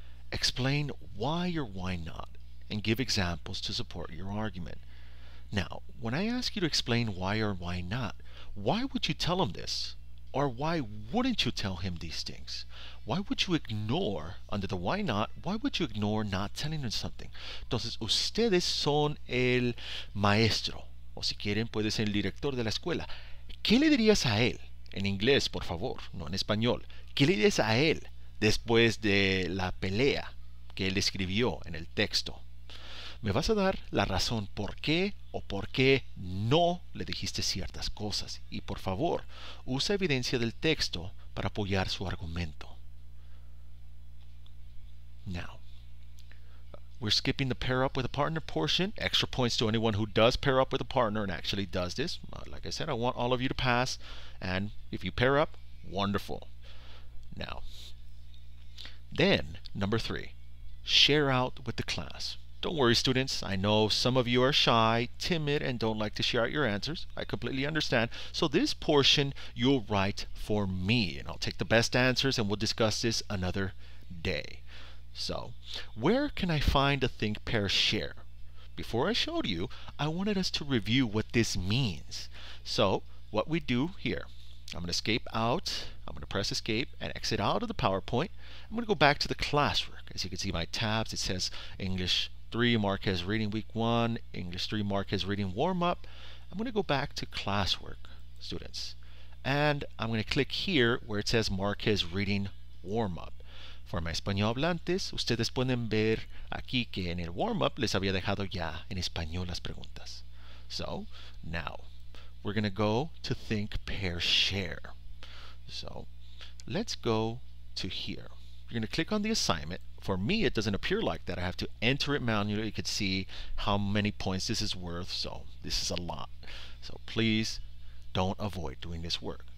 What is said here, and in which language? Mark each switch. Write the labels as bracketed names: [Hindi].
[English] Explain why or why not, and give examples to support your argument. Now, when I ask you to explain why or why not, why would you tell him this? Or why wouldn't you tell him these things? Why would you ignore, under the why not, why would you ignore not telling him something? [Spanish] Entonces, ustedes son el maestro. O si quieren, puede ser el director de la escuela. ¿Qué le dirías a él? En inglés, por favor, no en español. ¿Qué le dirías a él después de la pelea que él escribió en el texto? Me vas a dar la razón por qué o por qué no le dijiste ciertas cosas. Y por favor, usa evidencia del texto para apoyar su argumento. [English] Now, we're skipping the pair up with a partner portion. Extra points to anyone who does pair up with a partner and actually does this. Like I said, I want all of you to pass. And if you pair up, wonderful. Now, then, number three, share out with the class. Don't worry, students. I know some of you are shy, timid, and don't like to share out your answers. I completely understand. So this portion, you'll write for me, and I'll take the best answers, and we'll discuss this another day. So, where can I find a think, pair, share? Before I showed you, I wanted us to review what this means. So, what we do here, I'm going to escape out. I'm going to press escape and exit out of the PowerPoint. I'm going to go back to the classwork. As you can see, my tabs, it says English 3 Marquez Reading Week 1, English 3 Marquez Reading Warm Up. I'm going to go back to classwork, students, and I'm going to click here where it says Marquez Reading Warm Up. For my [Spanish] español hablantes, ustedes pueden ver aquí que en el warm up les había dejado ya en español las preguntas. [English] So, now we're going to go to think, pair, share. So, let's go to here. You're going to click on the assignment. For me, it doesn't appear like that. I have to enter it manually. You could see how many points this is worth. So this is a lot. So please don't avoid doing this work.